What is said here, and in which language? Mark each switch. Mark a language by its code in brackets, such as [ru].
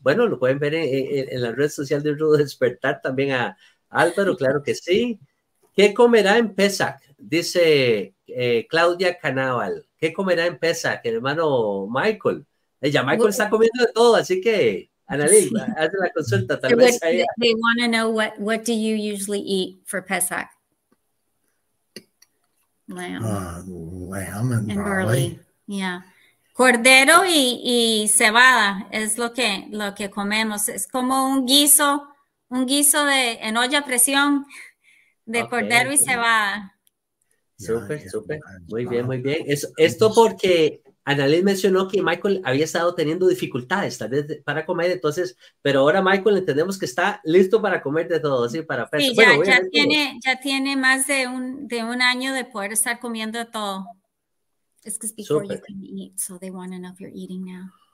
[es] Bueno, lo pueden ver en la red social de Rudo Despertar también a Álvaro, claro que sí. ¿Qué comerá en Pesach? Dice Claudia Canaval. ¿Qué comerá en Pesach, hermano Michael? Ella, Michael está comiendo de todo, así que Analí, sí. Haz la consulta. Tal vez [en] they want to know what do you usually eat for Pesach? Lamb and barley. Yeah. [es] Cordero y cebada es lo que comemos. Es como un guiso de en olla a presión de cordero y cebada. Súper. Muy bien. Esto porque Annalise mencionó que Michael había estado teniendo dificultades tal vez para comer, entonces, pero ahora Michael entendemos que está listo para comer de todo, sí, para pesar. Sí, ya tiene más de un año de poder estar comiendo de todo. [en] It's because before Super. You can eat, so they want to know if you're eating now.